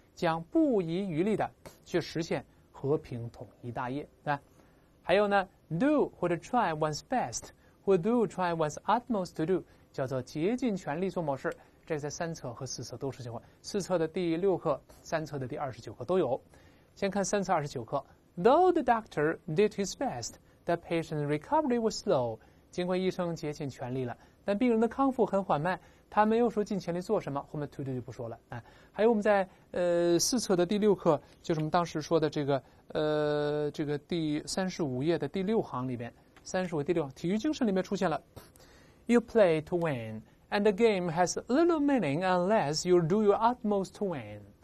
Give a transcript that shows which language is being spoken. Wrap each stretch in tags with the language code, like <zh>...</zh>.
<zh>将不遗余力的去实现和平统一大业，对吧？还有呢 ，do 或者</zh> <en>try one's best,</en> <zh>或</zh> <en>do try one's utmost to do,</en> <zh>叫做竭尽全力做某事。这在三册和四册都出现过，四册的第6课，三册的第29课都有。先看三册29课</zh> <en>，Though the doctor did his best, the patient's recovery was slow.</en> <zh>尽管医生竭尽全力了，但病人的康复很缓慢，他没有说尽全力做什么，后面 to do 就不说了。哎，还有我们在4册的第6课，就是我们当时说的这个第35页的第6行里面，35页第6行体育精神里面出现了</zh> <en>You play to win, and the game has little meaning unless you do your utmost to win.</en>